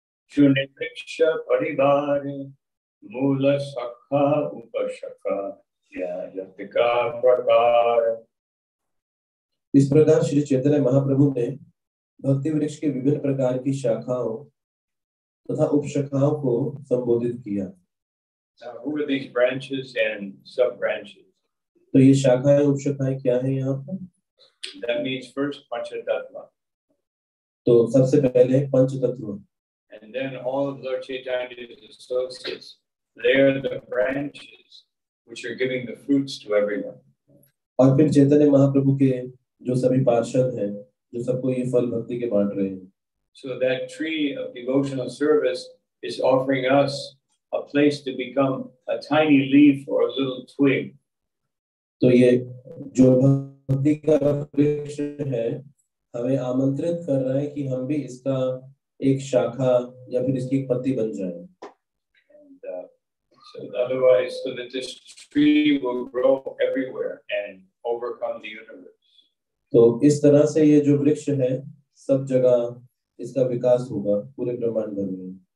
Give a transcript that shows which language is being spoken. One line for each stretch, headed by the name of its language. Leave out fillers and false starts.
Sanskrit: Shunitriksha Paribari Mula Sakha Upashaka Yajatika Prakara.
Hindi: इस प्रकार श्री चैतन्य महाप्रभु ने भक्ति वृक्ष के विभिन्न प्रकार की शाखाओं तथा उपशाखाओं को संबोधित किया।
English: Who are these branches and sub-branches?
Hindi: तो ये शाखाएं उपशाखाएं क्या हैं यहाँ पर?
English: That means first panchatattva.
Hindi: तो सबसे पहले पंचतत्व।
English: And then all of Lord Chaitanya's associates, they are the branches which are giving the fruits to everyone.
Hindi: और फिर चैतन्य महाप्रभु के जो सभी पार्षद हैं, जो सबको ये फल भक्ति के बांट रहे हैं।
English: So that tree of devotional service is offering us a place to become a tiny leaf or a little twig.
Hindi: तो ये जो भक्ति का वृक्ष है, हमें आमंत्रित कर रहा है कि हम भी इसका एक शाखा या फिर इसकी पत्ती बन जाएं।
English: So otherwise, so that this tree will grow everywhere and overcome the universe.
Hindi: तो इस तरह से ये जो वृक्ष है सब जगह इसका विकास होगा पूरे ब्रह्मांड में।